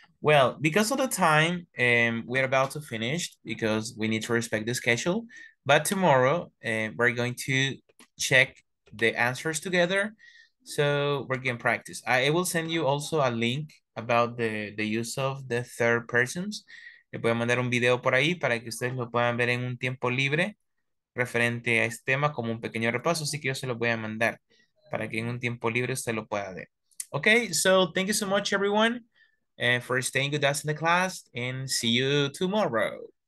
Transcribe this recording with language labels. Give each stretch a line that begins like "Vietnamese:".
English: Well, because of the time, we're about to finish because we need to respect the schedule. But tomorrow, we're going to check the answers together. So we're going to practice. I will send you also a link about the use of the third persons.
Spanish: Le voy a mandar un video por ahí para que ustedes lo puedan ver en un tiempo libre referente a este tema como un pequeño repaso. Así que yo se lo voy a mandar para que en un tiempo libre usted lo pueda ver.
English: Okay, so thank you so much, everyone, for staying with us in the class, and see you tomorrow.